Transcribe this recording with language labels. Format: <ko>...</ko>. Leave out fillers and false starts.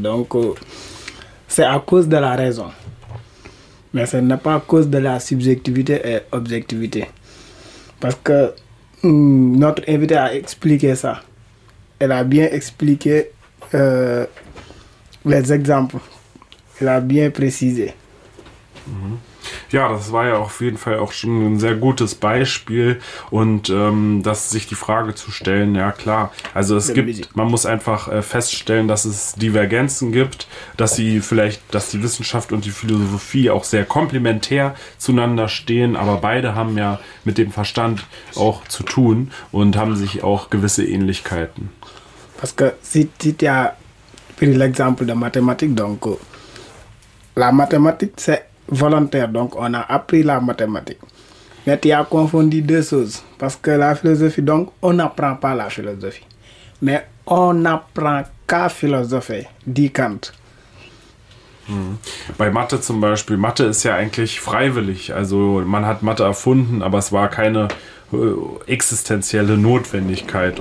<fr>Donc c'est à cause de la raison. Mais ce n'est pas à cause de la subjectivité et objectivité. Parce que notre invité a expliqué ça. Elle a bien expliqué les exemples. Elle a bien précisé.</fr> <de>Ja, das war ja auf jeden Fall auch schon ein sehr gutes Beispiel. Und dass sich die Frage zu stellen, ja klar, also es gibt, man muss einfach feststellen, dass es Divergenzen gibt, dass die Wissenschaft und die Philosophie auch sehr komplementär zueinander stehen, aber beide haben ja mit dem Verstand auch zu tun und haben sich auch gewisse Ähnlichkeiten.</de> <fr>Parce que c'est</fr> <de>ja für</de> <fr>l'exemple de mathématique, donc la mathématique c'est volontaire, donc on a appris la mathématique. Mais tu as confondu deux choses. Parce que la philosophie, donc, on n'apprend pas la philosophie. Mais on n'apprend qu'à philosopher, dit Kant.</fr> <de>Bei Mathe zum Beispiel, Mathe ist ja eigentlich freiwillig. Also man hat Mathe erfunden, aber es war keine existenzielle Notwendigkeit.</de>